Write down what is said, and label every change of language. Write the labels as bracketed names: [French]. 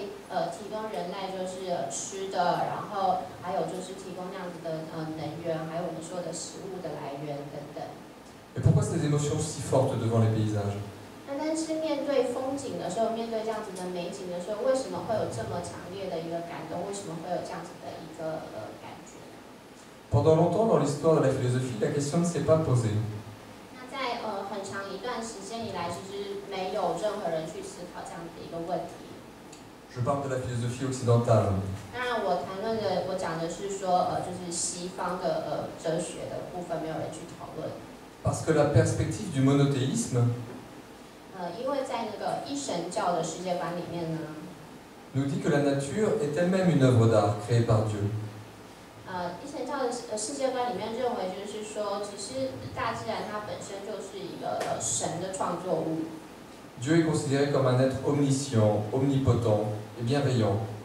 [Chinese] 提供人类就是吃的，然后还有就是提供那样子的能源，还有我们说的食物的来源等等。 [French] Et pourquoi ces émotions si fortes devant les paysages？ [Chinese] 那但是面对风景的时候，面对这样子的美景的时候，为什么会有这么强烈的一个感动？为什么会有这样子的一个感觉 [French] ？Pendant longtemps dans l'histoire de la philosophie, la question ne s'est pas posée。 [Chinese] 那在很长一段时间以来，其实没有任何人去思考这样子的一个问题。 [French] Je parle de la philosophie occidentale. [Chinese] 当然，我谈论的，我讲的是说，就是西方的哲学的部分，没有人去讨论。 [French] Parce que la perspective du monothéisme. [Chinese] 因为在那个一神教的世界观里面呢。 [French] Nous dit que la nature est elle-même une œuvre d'art créée par Dieu. [Chinese] 一神教的世界观里面认为，就是说，其实大自然它本身就是一个神的创作物。 [French] Dieu est considéré comme un être omniscient, omnipotent et bienveillant.